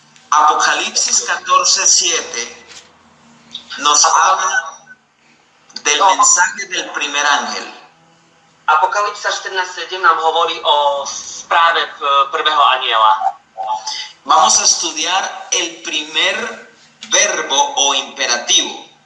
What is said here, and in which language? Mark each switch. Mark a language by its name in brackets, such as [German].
[Spanish] Apocalipsis 14:7 nos habla del mensaje del primer ángel. [Slovak] Apocalipsa 14:7 nám hovorí o správe prvého aniela. [Spanish] Vamos a estudiar el primer verbo o imperativo.